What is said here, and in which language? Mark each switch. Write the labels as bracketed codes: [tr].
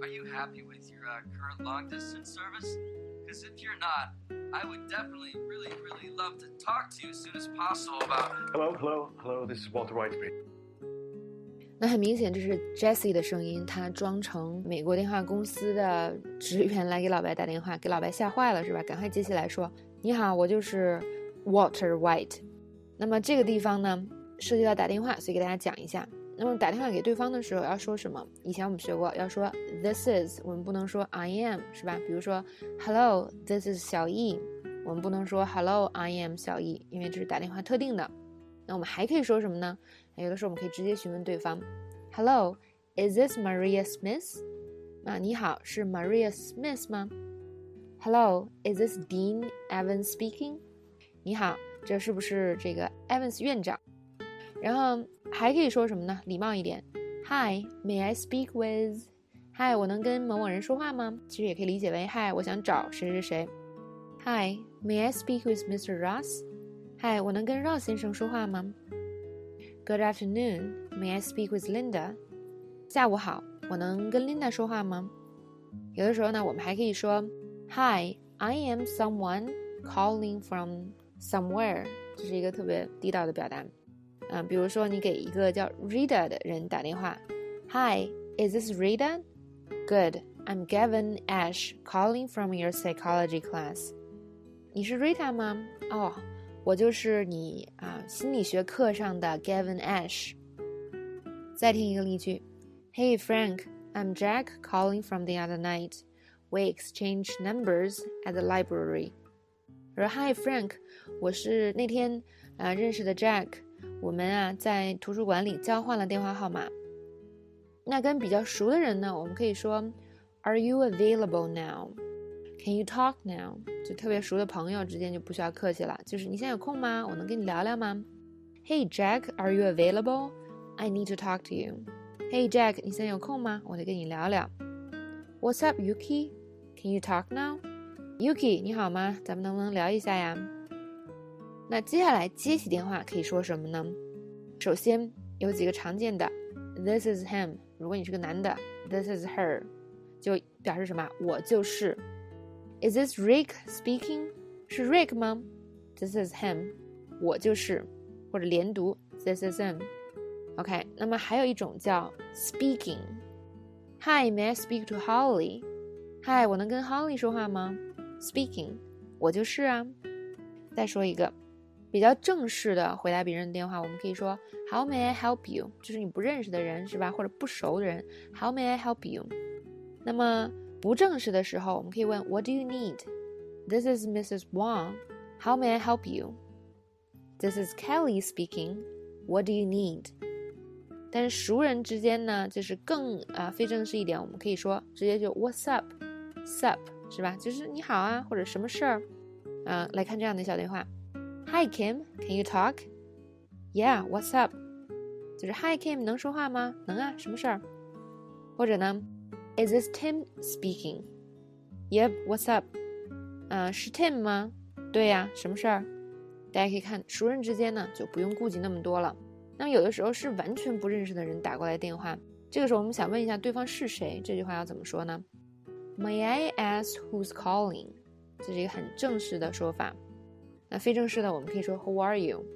[en] Are you happy with your current long-distance service? Because if you're not, I would definitely really, really love to talk to you as soon as possible about... Hello, hello, hello, this is Walter White. [zh] 那很明显这是 Jesse 的声音，他装成美国电话公司的职员来给老白打电话，给老白吓坏了是吧？赶快接起来说，你好，我就是 Walter White。那么这个地方呢，涉及到打电话，所以给大家讲一下。那么打电话给对方的时候要说什么？以前我们学过要说 [en] this is， [zh] 我们不能说 [en] I am [zh] 是吧？比如说 [en] hello this is [zh] 小易，我们不能说 [en] hello I am [zh] 小易，因为这是打电话特定的。那我们还可以说什么呢？有的时候我们可以直接询问对方 [en] hello is this Maria Smith， [zh] 那你好是 Maria Smith 吗？ [en] hello is this Dean Evans speaking， [zh] 你好这是不是这个 Evans 院长。然后还可以说什么呢？礼貌一点 [en] Hi, may I speak with [zh] Hi, 我能跟某某人说话吗？其实也可以理解为 Hi, 我想找谁谁谁。 [en] Hi, may I speak with Mr. [zh] Ross Hi, 我能跟 Ross 先生说话吗？ [en] Good afternoon, may I speak with Linda [zh] 下午好，我能跟 Linda 说话吗？有的时候呢，我们还可以说 [en] Hi, I am someone calling from somewhere， [zh] 这是一个特别地道的表达。比如说你给一个叫 Rita 的人打电话 [en] Hi, is this Rita? Good, I'm Gavin Ash calling from your psychology class. [zh] 你是 Rita 吗？哦，我就是你心理学课上的 Gavin Ash。再听一个例句 [en] Hey Frank, I'm Jack calling from the other night. We exchanged numbers at the library. [zh] Hi Frank, 我是那天认识的 Jack，我们啊在图书馆里交换了电话号码。那跟比较熟的人呢，我们可以说 [en] Are you available now? Can you talk now? [zh] 就特别熟的朋友之间就不需要客气了，就是你现在有空吗？我能跟你聊聊吗？ [en] Hey Jack, are you available? I need to talk to you. Hey Jack, [zh] 你现在有空吗？我得跟你聊聊。 [en] What's up Yuki? Can you talk now? Yuki, [zh] 你好吗？咱们能不能聊一下呀？那接下来接起电话可以说什么呢？首先有几个常见的 [en] This is him， [zh] 如果你是个男的 [en] This is her， [zh] 就表示什么？我就是。 [en] Is this Rick speaking？ [zh] 是 Rick 吗？ [en] This is him， [zh] 我就是。 或者连读 [en] This is him。 OK， [zh] 那么还有一种叫 [en] speaking。Hi， may I speak to Holly？ [zh] Hi， 我能跟 Holly 说话吗？Speaking， 我就是啊。再说一个比较正式的回答别人的电话，我们可以说 [en] How may I help you? [zh] 就是你不认识的人是吧，或者不熟的人 [en] How may I help you? [zh] 那么不正式的时候我们可以问 [en] What do you need? This is Mrs. Wong. How may I help you? This is Kelly speaking. What do you need? [zh] 但是熟人之间呢，就是更非正式一点，我们可以说直接就 [en] What's up? [zh] Sup 是吧，就是你好啊，或者什么事儿。来看这样的小对话。 [en] Hi Kim, can you talk? Yeah, what's up? [zh] 就是 Hi Kim, 能说话吗？能啊，什么事儿？或者呢 [en] Is this Tim speaking? Yep, what's up? [zh] 是 Tim 吗？对呀，什么事儿？大家可以看熟人之间呢就不用顾及那么多了。那么有的时候是完全不认识的人打过来电话，这个时候我们想问一下对方是谁，这句话要怎么说呢？ [en] May I ask who's calling? [zh] 这是一个很正式的说法。那非正式的我们可以说 [en] Who are you?